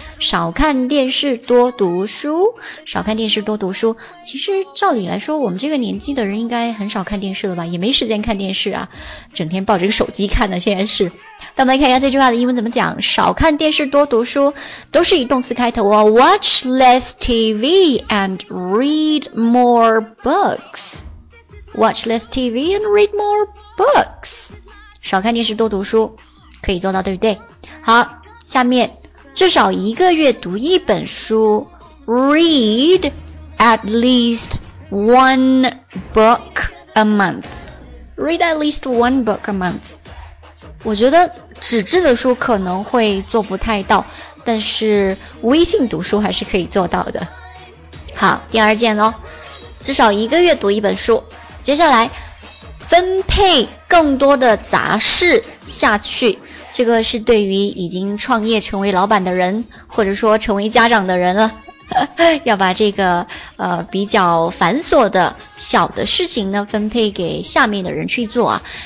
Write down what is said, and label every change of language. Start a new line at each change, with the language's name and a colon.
Chinese: 少看电视多读书，少看电视多读书。其实照理来说，我们这个年纪的人应该很少看电视了吧，也没时间看电视啊，整天抱着个手机看的现在是。那我们来看一下这句话的英文怎么讲，少看电视多读书，都是以动词开头哦。
English: Watch less TV and read more books. Watch less TV and read more books.
Chinese: 少看电视多读书，可以做到对不对？好，下面至少一个月读一本书。
English: Read at least one book a month. Read at least one book a month.
Chinese: 我觉得纸质的书可能会做不太到，但是微信读书还是可以做到的。好，第二件咯，至少一个月读一本书。接下来，分配更多的杂事下去，这个是对于已经创业成为老板的人，或者说成为家长的人了，要把这个比较繁琐的小的事情呢分配给下面的人去做啊。